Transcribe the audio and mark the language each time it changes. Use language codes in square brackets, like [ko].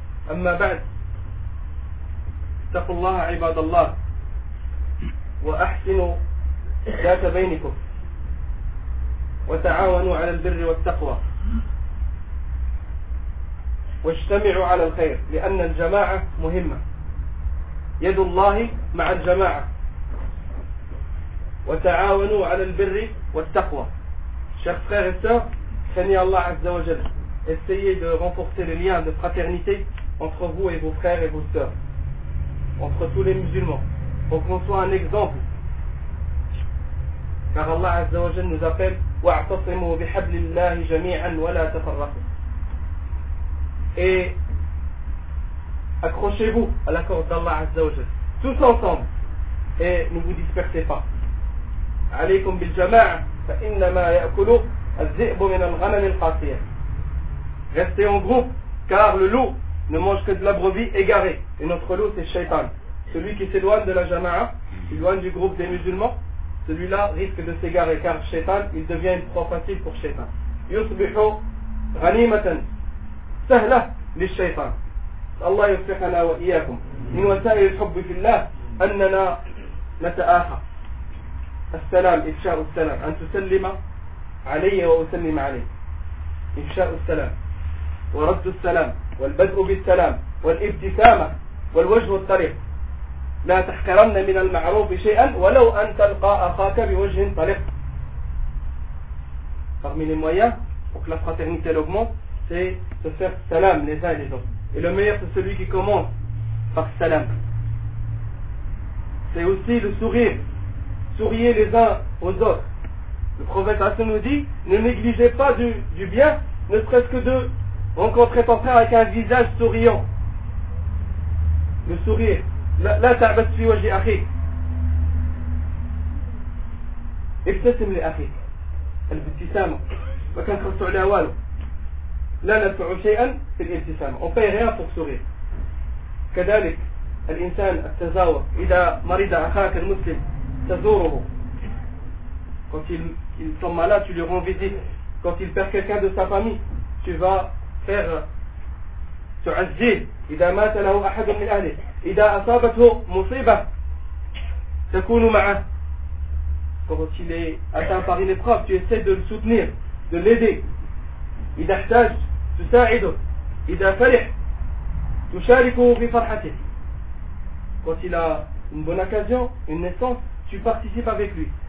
[ar] أما بعد، اتقوا الله عباد الله وأحسنوا ذات بينكم وتعاونوا على البر والتقوى واجتمعوا على الخير لأن الجماعة مهمة. يد الله مع الجماعة وتعاونوا على البر والتقوى. [fr] Chers frères et sœurs, craignez Allah Azza wa Jal. Essayez de renforcer les liens de fraternité entre vous et vos frères et vos sœurs, entre tous les musulmans, pour qu'on soit un exemple. Car Allah Azza wa Jal nous appelle [ar] واعتصموا بحبل الله جميعا ولا تفرقوا. [fr] Et accrochez-vous à la corde d'Allah Azza wa Jal tous ensemble et ne vous dispersez pas. [ar] عليكم بالجماعة فإنما يأكل الذئب من الغنم القاسية. [fr] Restez en groupe car le loup ne mange que de la brebis égarée. Et notre loup c'est Shaitan. Celui qui s'éloigne de la jama'a, s'éloigne du groupe des musulmans, celui-là risque de s'égarer car Shaitan, il devient une proie facile pour Shaitan. [ar] يصبح غنيمة سهلة للشيطان. الله يصبحنا وإياكم من وسائل الحب في الله أننا نتآخى. السلام إفشاء السلام أن تسلم علي وأسلم عليك إفشاء السلام. ورد السلام والبدء بالسلام والابتسامة والوجه الطلق. لا تحقرن من المعروف شيئا ولو أن تلقى أخاك بوجه طلق. [fr] Parmi les moyens pour que la fraternité augmente, c'est se faire salam les uns les autres. Et le meilleur c'est celui qui commence par salam. C'est aussi le sourire. Souriez les uns aux autres. Le prophète Hassan nous dit, ne négligez pas du bien, ne serait-ce que de rencontrer ton frère avec un visage souriant. Le sourire. [ar] لا تعبث في وجه أخيك. ابتسم لأخيك. الابتسامة. ما كان خلصوا على والو. لا ندفع شيئا في الابتسامة. [fr] On paye rien pour sourire. [ar] كذلك الإنسان التزاور. إذا مريض أخاك المسلم تزوره. [fr] Quand il tombe malade, tu lui rends visite. Quand il perd quelqu'un de sa famille, tu vas faire تعزيه. [ar] إذا مات له أحد من أهله. إذا أصابته مصيبة تكون معه. [fr] Quand il est atteint par une épreuve, tu essaies de le soutenir, de l'aider. [ar] إذا احتاج تساعده. إذا فرح تشاركه في فرحته. [fr] Quand il a une bonne occasion, une naissance, tu participes avec lui.